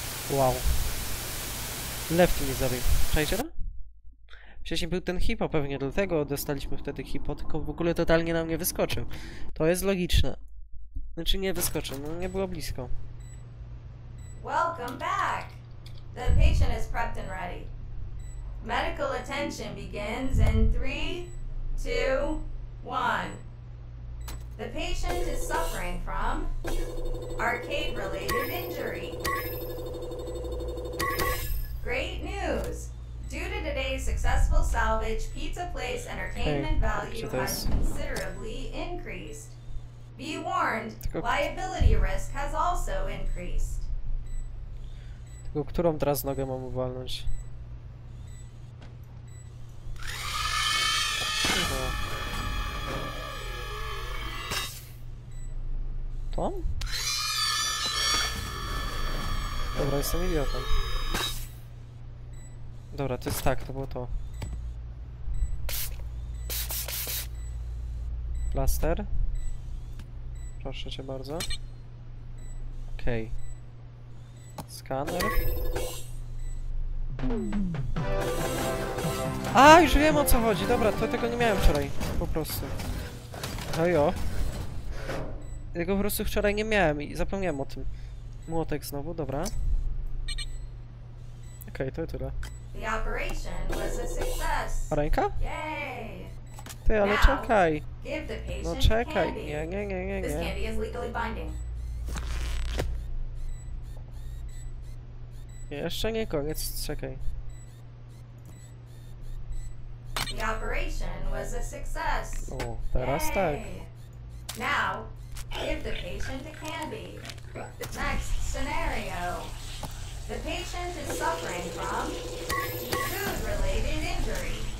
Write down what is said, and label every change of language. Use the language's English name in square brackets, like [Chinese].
[Polish] Wow. Lefty mi zabił. Czajcie to? Wcześniej był ten hipo, pewnie dlatego dostaliśmy wtedy hipo, tylko w ogóle totalnie nam nie wyskoczył. To jest logiczne. Znaczy nie wyskoczył, no nie było blisko. [English] Welcome back! The patient is prepped and ready. Medical attention begins in 3, 2, 1. The patient is suffering from arcade-related injury. Great news! Due to today's successful salvage, Pizza Place entertainment value has considerably increased. Be warned, liability risk has also increased. [Polish] Tylko którą teraz nogę mam uwalnąć? Tą? Dobra, jestem idiotą. Dobra, to jest tak, to było to. Plaster. Proszę cię bardzo. Okej. Skaner. A, już wiem, o co chodzi. Dobra, to tego nie miałem wczoraj. Po prostu. No jo. Tego po prostu wczoraj nie miałem i zapomniałem o tym. Młotek znowu, dobra. Okej, to tyle. [English] The operation was a success. [Polish] A ręka? Yay! Ty, ale [English] now, [Polish] czekaj. [English] Give the patient [Polish] no czekaj. [English] Candy. [Polish] Nie. [English] This candy is legally binding. [Polish] Jeszcze nie koniec, czekaj. [English] The operation was a success. [Polish] O, teraz yay. Tak. [English] Now, give the patient a candy. Next scenario. The patient is suffering from food-related injury.